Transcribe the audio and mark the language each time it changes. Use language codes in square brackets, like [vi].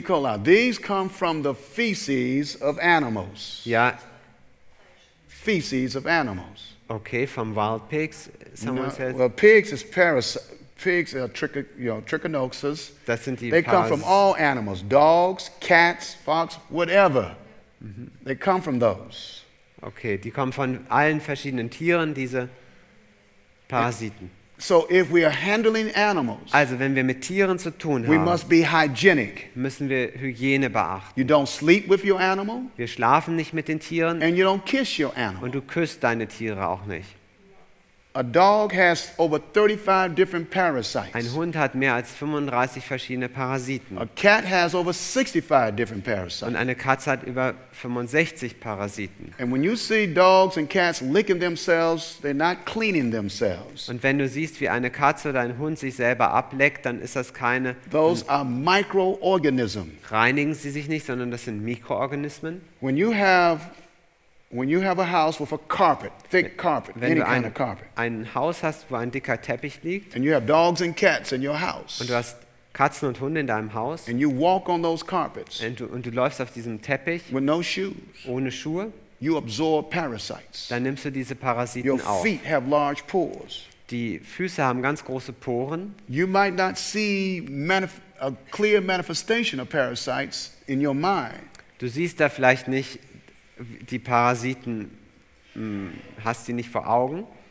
[en] coli, these come from the feces of animals. [de] Ja. [en] Feces of animals. Okay, from wild pigs, someone says. Well, pigs is pigs are trichinosis. [de] Das sind die [en] they come from all animals, dogs, cats, fox, whatever. Mm-hmm. They come from those. [de] Okay, die kommen von allen verschiedenen Tieren, diese Parasiten. [en] So if we are handling animals, [de] also wenn wir mit Tieren zu tun haben, [en] we must be hygienic. [de] Müssen wir Hygiene beachten. [en] You don't sleep with your animal, [de] wir schlafen nicht mit den Tieren, [en] and you don't kiss your animal. [de] Und du küsst deine Tiere auch nicht. [en] A dog has over 35 different parasites. [de] Ein Hund hat mehr als 35 verschiedene Parasiten. [en] A cat has over 65 different parasites. [de] Und eine Katze hat über 65 Parasiten. [en] And when you see dogs and cats licking themselves, they're not cleaning themselves. [de] Und wenn du siehst, wie eine Katze oder ein Hund sich selber ableckt, dann ist das keine. [en] Those are microorganisms. [de] Reinigen sie sich nicht, sondern das sind Mikroorganismen. [en] When you have a house with a carpet, thick carpet, [de] wenn [en] any kind of carpet. [de] Ein Haus hast, wo ein dicker Teppich liegt. [en] And you have dogs and cats in your house. [de] Und du hast Katzen und Hunde in deinem Haus. [en] And you walk on those carpets. [de] Und du läufst auf diesem Teppich. [en] With no shoes. [de] Ohne Schuhe. [en] You absorb parasites. [de] Dann nimmst du diese Parasiten [en] your [de] auf. [en] Your feet have large pores. [de] Die Füße haben ganz große Poren. [en] You might not see a clear manifestation of parasites in your mind. [de] Du siehst da vielleicht nicht die Parasiten, hast sie nicht vor Augen?